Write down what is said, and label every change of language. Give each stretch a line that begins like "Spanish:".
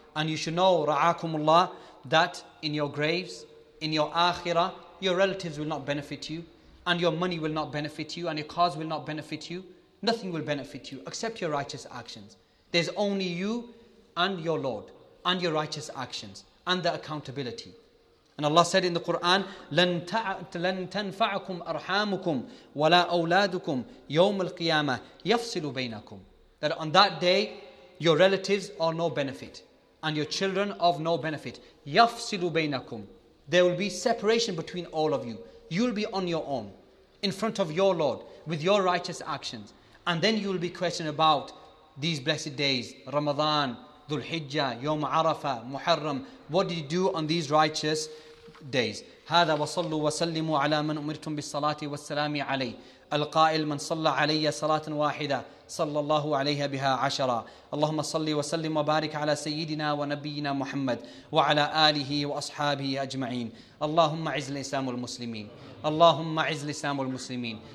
English: And you should know, ra'akumullah, that in your graves, in your akhirah, your relatives will not benefit you, and your money will not benefit you, and your cars will not benefit you. Nothing will benefit you except your righteous actions. There's only you and your Lord and your righteous actions and the accountability. And Allah said in the Quran,
Arabic: لَن تَنْفَعَكُمْ أَرْحَامُكُمْ وَلَا أَوْلَادُكُمْ يَوْمَ الْقِيَامَةِ يَفْصِلُ بَيْنَكُمْ.
English: That on that day, your relatives are no benefit and your children of no benefit.
Arabic: يَفْصِلُ بَيْنَكُمْ.
English: There will be separation between all of you. You'll be on your own in front of your Lord with your righteous actions. And then you will be questioned about these blessed days, Ramadan, Dhul Hijjah, Yawm Arafah, Muharram. What did you do on these righteous days?
Arabic: هذا وصلوا وسلموا على من أمرتم بالصلاة والسلام عليه. القائل من صلى علي صلاة واحدة صلى الله عليها بها عشرة. اللهم صلي وسلم وبارك على سيدنا ونبينا محمد وعلى آله وأصحابه أجمعين. اللهم عز الإسلام والمسلمين. اللهم عز الإسلام والمسلمين.